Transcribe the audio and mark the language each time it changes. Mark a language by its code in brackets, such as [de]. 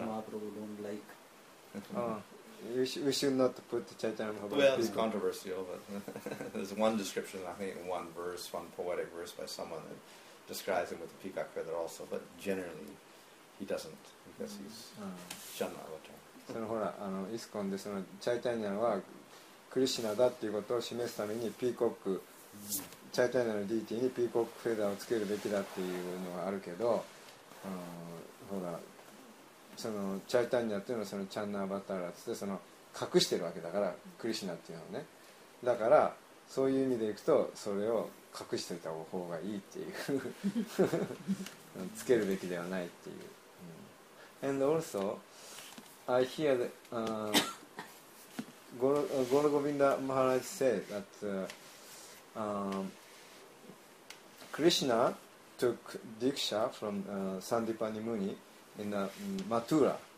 [en] Chaitanya Mahaprabhu don't like. We should not put Chaitanya Mahaprabhu. Well, it's controversial, but there's one description, I think, in one poetic verse by someone that describes him with a peacock feather also, but generally he doesn't because he's Chanda Avatar. [ja] そのほらあのイスコンでそのチャイタニアはクリシナだっていうことを示すためにピーコックチャイタニアのディーティーにピーコックフェザーをつけるべきだっていうのがあるけど、ほらそのチャイタニアっていうのはそのチャンナーバタラってその隠してるわけだからクリシナっていうのはね、だからそういう意味でいくとそれを隠しておいた方がいいっていうつけるべきではないっていう、 [en] And also, I hear that Gaura Govinda Maharaj said that Krishna took Diksha from Sandipani Muni in Mathura.